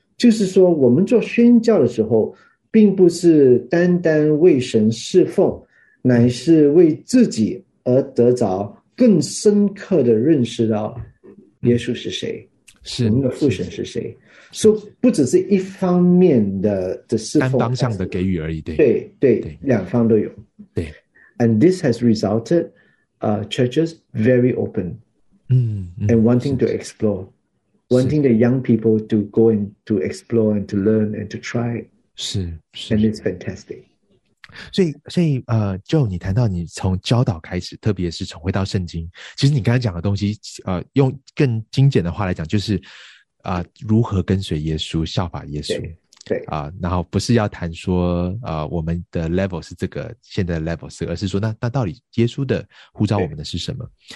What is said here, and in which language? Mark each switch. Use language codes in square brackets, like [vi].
[zh] 就是说我们做宣教的时候并不是单单为神侍奉，乃是为自己而得着更深刻的认识到耶稣是谁。是我们的父神是谁，是不只是一方面的侍奉，单方向的给予而已，对对 对，两方都有，对。 [en] And this has resulted churches very open and wanting to explore, wanting the young people to go and to explore and to learn and to try. [zh] 是 [en] And it's fantastic. [zh] 所以Joe, 你谈到你从教导开始，特别是从回到圣经，其实你刚才讲的东西用更精简的话来讲，就是如何跟随耶稣，效法耶稣。对。然后不是要谈说我们的 level 是这个，现在的 level 是，而是说那到底耶稣的呼召我们的是什么。